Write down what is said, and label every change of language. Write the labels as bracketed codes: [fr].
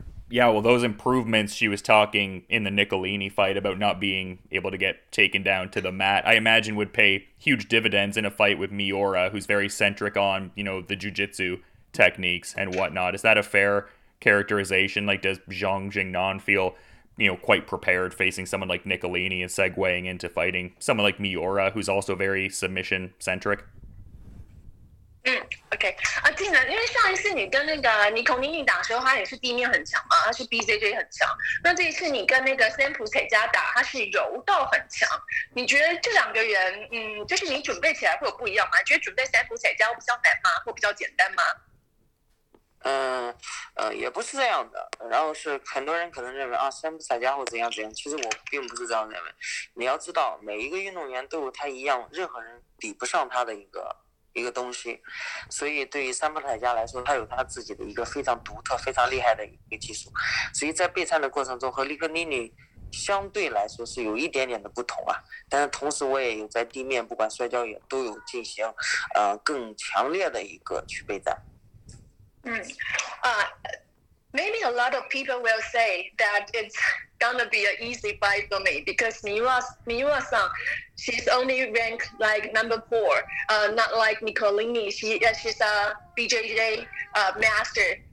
[en] Yeah, well, those improvements she was talking in the Nicolini fight about not being able to get taken down to the mat, I imagine would pay huge dividends in a fight with Miura, who's very centric on, you know, the jiu-jitsu techniques and whatnot. Is that a fair characterization? Like, does Zhang Jingnan feel, you know, quite prepared facing someone like Nicolini and segueing into fighting someone like Miura, who's also very submission-centric? [zh] OK， 啊，静的，因为上一次你跟那个尼孔妮妮打的时候，他也是地面很强嘛，他是 BJJ 很强。那这一次你跟那个森普彩加打，他是柔道很强。你觉得这两个人，就是你准备起来会有不一样吗？觉得准备森普彩加会比较难吗？会比较简单吗？也不是这样的。然后是很多人可能认为啊，森普彩加会怎样怎样，其实我并不是这样认为。你要知道，每一个运动员都有他一样，任何人比不上他的一个东西，所以对于三浦彩加来说，他有他自己的一个非常独特非常厉害的一个技术，所以在备战的过程中和利克尼尼相对来说是有一点点的不同啊。但是同时我也有在地面不管摔跤也都有进行更强烈的一个去备战。 [en] Maybe a lot of people will say that it's gonna be an easy fight for me because Miura-san, she's only ranked like number 4, not like Nicolini. She's a BJJ master.